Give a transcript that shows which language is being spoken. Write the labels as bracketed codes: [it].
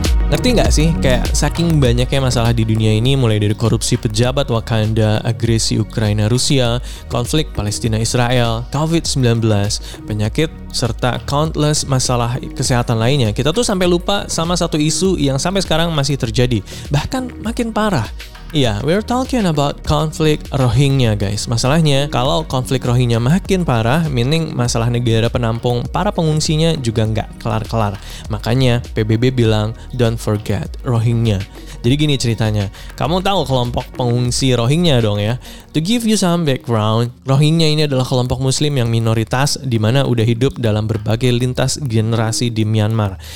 [id] Ngerti gak sih, kayak saking banyaknya masalah di dunia ini, mulai dari korupsi pejabat Wakanda, agresi Ukraina-Rusia, konflik Palestina-Israel, COVID-19, penyakit, serta countless masalah kesehatan lainnya. Kita tuh sampai lupa sama satu isu yang sampai sekarang masih terjadi, bahkan makin parah. Iya, [en] yeah, we're talking about [id] konflik Rohingya, guys. Masalahnya, kalau konflik Rohingya makin parah, meaning masalah negara penampung para pengungsinya juga nggak kelar-kelar. Makanya, PBB bilang, [en] don't forget Rohingya. [id] Jadi gini ceritanya, kamu tahu kelompok pengungsi Rohingya dong ya? [en] To give you some background, [id] Rohingya ini adalah kelompok muslim yang minoritas di mana udah hidup dalam berbagai lintas generasi di Myanmar.